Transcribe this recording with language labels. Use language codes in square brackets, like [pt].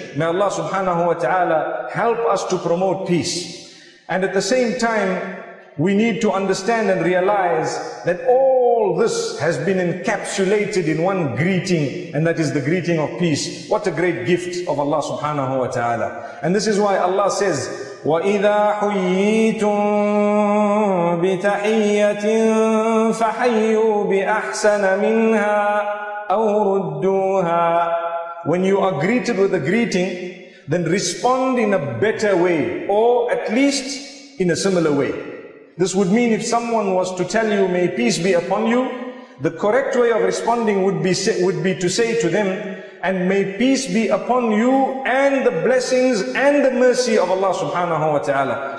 [en] May Allah subhanahu wa ta'ala help us to promote peace. And at the same time, we need to understand and realize that all this has been encapsulated in one greeting, and that is the greeting of peace. What a great gift of Allah subhanahu wa ta'ala. [ar] And this is why Allah says, وَإِذَا حُيِّيتُم بِتَحِيَّةٍ فَحَيُّوا بِأَحْسَنَ مِنْهَا أَوْ رُدُّوهَا. [en] when you are greeted with a greeting, then respond in a better way, or at least in a similar way. This would mean if someone was to tell you, may peace be upon you, the correct way of responding would be to say to them, and may peace be upon you and the blessings and the mercy of Allah subhanahu wa ta'ala.